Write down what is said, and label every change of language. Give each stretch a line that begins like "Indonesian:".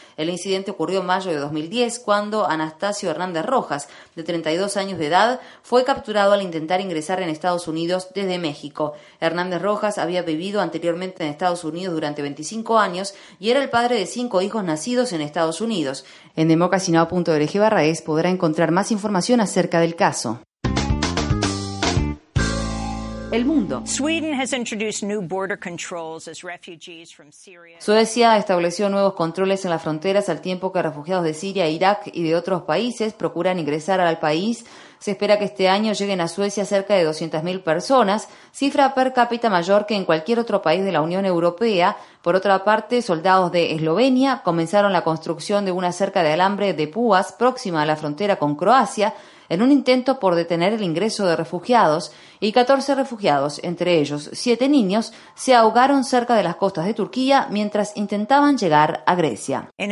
Spanish: El incidente ocurrió en mayo de 2010, cuando Anastasio Hernández Rojas, de 32 años de edad, fue capturado al intentar ingresar en Estados Unidos desde México. Hernández Rojas había vivido anteriormente en Estados Unidos durante 25 años y era el padre de 5 hijos nacidos en Estados Unidos. En democasinao.org/es podrá encontrar más información acerca del caso. El mundo.
English: Sweden has introduced new border controls as refugees from Syria.
Spanish: Suecia estableció nuevos controles en las fronteras al tiempo que refugiados de Siria, Irak y de otros países procuran ingresar al país. Se espera que este año lleguen a Suecia cerca de 200.000 personas, cifra per cápita mayor que en cualquier otro país de la Unión Europea. Por otra parte, soldados de Eslovenia comenzaron la construcción de una cerca de alambre de púas próxima a la frontera con Croacia, en un intento por detener el ingreso de refugiados, y 14 refugiados, entre ellos 7 niños, se ahogaron cerca de las costas de Turquía mientras intentaban llegar a Grecia.